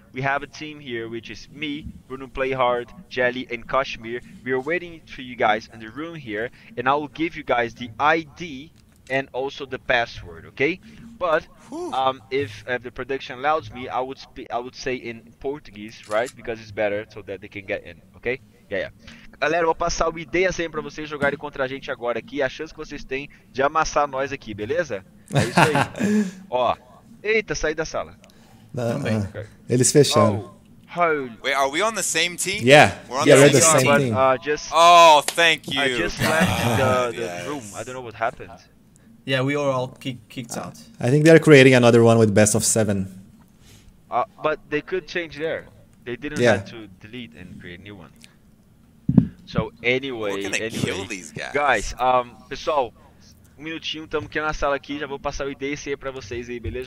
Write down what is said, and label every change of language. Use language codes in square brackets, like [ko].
[en] We have a team here, which is me, Bruno Playhard, Jelly, and Kashmir. We are waiting for you guys in the room here, and I will give you guys the ID and also the password, okay? But if the production allows me, I would say in Portuguese, right? Because it's better so that they can get in, okay? Yeah. [pt] Galera, vou passar o ID e a senha pra vocês jogarem contra a gente agora aqui, a chance que vocês têm de amassar nós aqui, beleza? É isso aí. Ó, eita, saí da sala. Eles fecharam. [en] Oh. Hold. Wait, are we on the same team? Yeah. We're on the same team. Oh, thank you. I just left the room. I don't know what happened. Yeah, we are all kicked out. I think they're creating another one with best of seven. But they could change there. They didn't have to delete and create a new one. So anyway, we're gonna kill these guys. [pt] Guys, pessoal, um minutinho, estamos aqui na sala aqui, já vou passar o ID e CE para vocês aí, beleza?